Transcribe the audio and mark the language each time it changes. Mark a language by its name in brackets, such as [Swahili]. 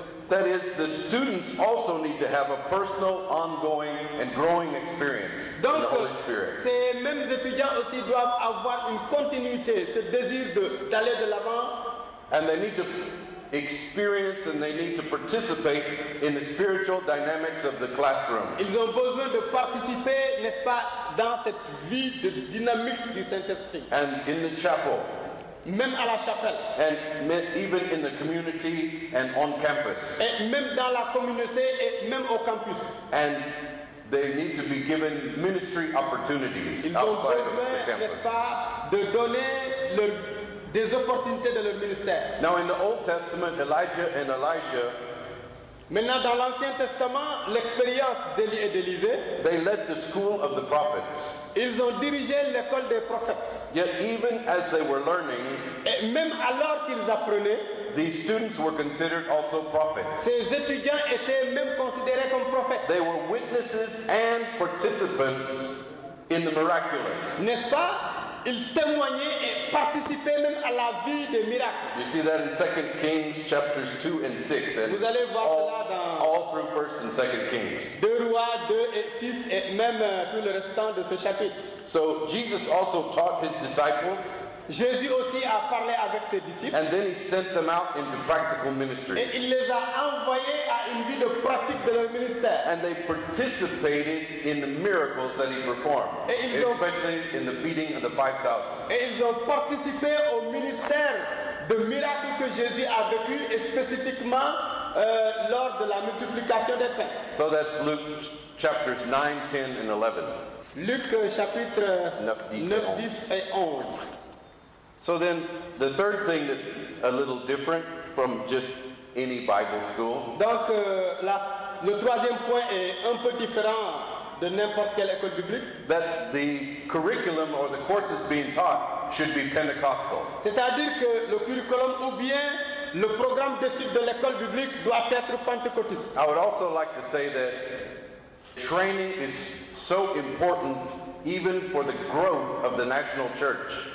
[English] That is, the students also need to have a personal, ongoing, and growing experience [French] donc, [English] in the Holy Spirit. [French] Donc, ces mêmes étudiants aussi doivent avoir une continuité, ce désir d'aller de l'avant. [English] And they need to experience and they need to participate in the spiritual dynamics of the classroom. [French] Ils ont besoin de participer, n'est-ce pas, dans cette vie de dynamique du Saint-Esprit. [English] And in the chapel. [French] Même à la chapelle. [English] And even in the community and on campus. [French] Et même dans la communauté et même au campus. [English] And they need to be given ministry opportunities outside of the campus. [French] Ils ont besoin, n'est-ce pas, de donner des opportunités de leur ministère. [English] Now in the Old Testament, Elijah and Elisha. [French] Maintenant dans l'Ancien Testament, l'expérience d'Élie et d'Élisée. [English] They led the school of the prophets. [French] Ils ont dirigé l'école des prophètes. [English] Yet even as they were learning, [French] et même alors qu'ils apprenaient, [English] these students were considered also prophets. [French] Ces étudiants étaient même considérés comme prophètes. [English] They were witnesses and participants in the miraculous. [French] N'est-ce pas? Ils témoignaient et participaient même à la vie des miracles. [English] You see that in 2 Kings chapters 2 and 6. And [French] vous allez voir cela dans [English] all through 1 and 2 Kings. [French] 2 Rois 2 et 6 et même tout le restant de ce chapitre. [English] So Jesus also taught his disciples. [French] Jésus aussi a parlé avec ses disciples. [English] And then he sent them out into practical ministry. Et il les a envoyés à une vie de pratique de leur ministère. And they participated in the miracles that he performed. Especially in the feeding of the 5,000. [French] Et ils ont participé au ministère de miracles que Jésus a vécu et spécifiquement lors de la multiplication des pains. [English] So that's Luke chapters 9, 10 and 11. [French] Luc chapitre 9, 10 et 11. [English] So then, the third thing that's a little different from just any Bible school. [French] Donc, le troisième point est un peu différent de n'importe quelle école biblique. [English] That the curriculum or the courses being taught should be Pentecostal. [French] C'est-à-dire que le curriculum ou bien le programme d'études de l'école biblique doit être pentecôtiste. [English] I would also like to say that training is so important even for the growth of the national church.